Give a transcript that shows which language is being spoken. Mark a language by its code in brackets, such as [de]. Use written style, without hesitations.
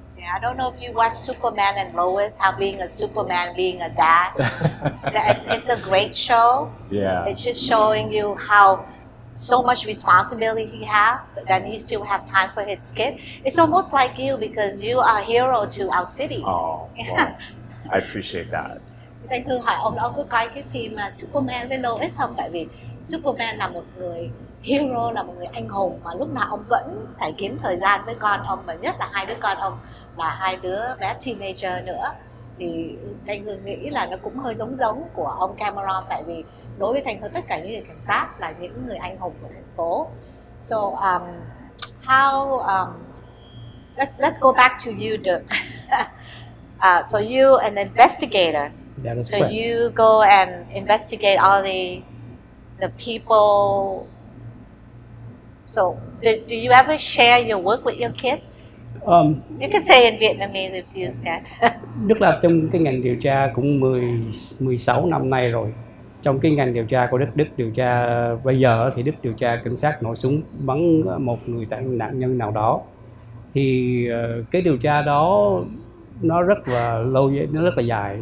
[en] Yeah, I don't know if you watch Superman and Lois, how being a Superman, being a dad. It's a great show. Yeah. It's just showing you how so much responsibility he has, but then he still have time for his kid. It's almost like you, because you are a hero to our city. Oh, well, I appreciate that. [vi] Thầy thường hỏi ông có coi cái phim mà Superman với Lois không? Tại vì Superman là một người hero, là một người anh hùng mà lúc nào ông vẫn phải kiếm thời gian với con ông, và nhất là hai đứa con ông là hai đứa bé teenager nữa. Thì Thanh Hương nghĩ là nó cũng hơi giống giống của ông Cameron, tại vì đối với Thanh Hương tất cả những người cảnh sát là những người anh hùng của thành phố. [en] So how let's go back to you, Dirk. So you an investigator. That is so right. You go and investigate all the people. So do you ever share your work with your kids? You can say in Vietnamese if you can. [vi] Đức làm trong cái ngành điều tra cũng 16 năm nay rồi. Trong cái ngành điều tra của Đức, Đức điều tra bây giờ thì Đức điều tra cảnh sát nổ súng bắn một người nạn nhân nào đó. Thì cái điều tra đó nó rất là lâu, nó rất là dài.